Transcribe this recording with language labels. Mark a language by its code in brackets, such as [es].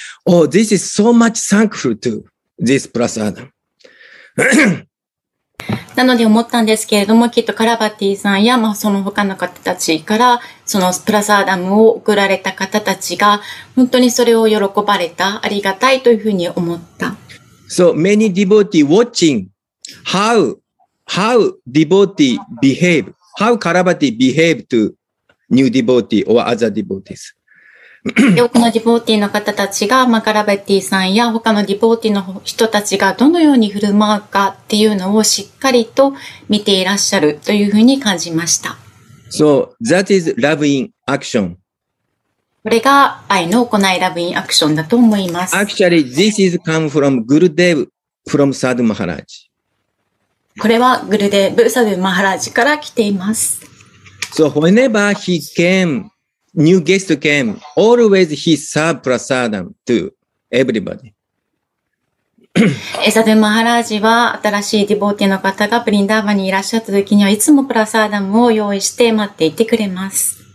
[en] Oh, this is so much thankful to this prasad. [ja] なので思ったんですけれども、きっとカラバティさんや、まあ、その他の方たちから、そのプラスアダムを送られた方たちが、本当にそれを喜ばれた、ありがたいというふうに思った。 [en] So many devotees watching how devotee behave, how カラバティ behave to new devotee or other devotees. [ja] 多くのディボーティーの方たちが、まあ、カラバティさんや他のディボーティーの人たちがどのように振る舞うかっていうのをしっかりと見ていらっしゃるというふうに感じました。 [en] So, that is love in action. [ja] これが愛の行い、 [en] love in action [ja] だと思います。 [en] Actually, this is come from Gurudev from Sadhu Maharaj. [ja] これはグルデーブ・サドゥ・マハラジから来ています。 [en] So, whenever he came,New guest came, always he served prasadam to everybody. [ja] エサドゥマハラージは新しいディボーティの方がブリンダーバにいらっしゃった時にはいつもプラサーダムを用意して待っていてくれます。